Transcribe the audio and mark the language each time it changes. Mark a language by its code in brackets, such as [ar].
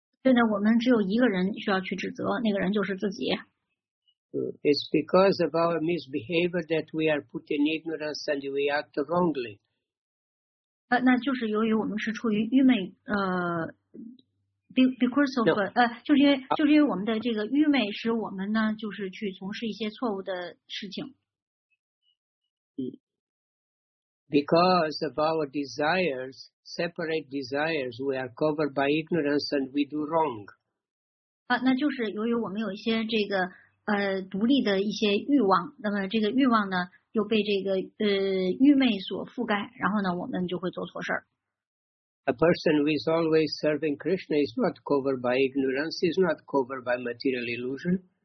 [zh] 对呢，我们只有一个人需要去指责，那个人就是自己。 [en] It's because of our misbehavior that we are put in ignorance and we act wrongly. [zh] 那就是由于我们是处于愚昧 [en] because of, [zh] 就是因为我们的这个愚昧使我们呢就是去从事一些错误的事情。 [en] Because of our desires, separate desires, we are covered by ignorance and we do wrong. [zh] 那就是由于我们有一些这个独立的一些欲望，那么这个欲望呢又被这个愚昧所覆盖，然后呢我们就会做错事儿。 [en] A person who is always serving Krishna is not covered by ignorance, is not covered by material illusion.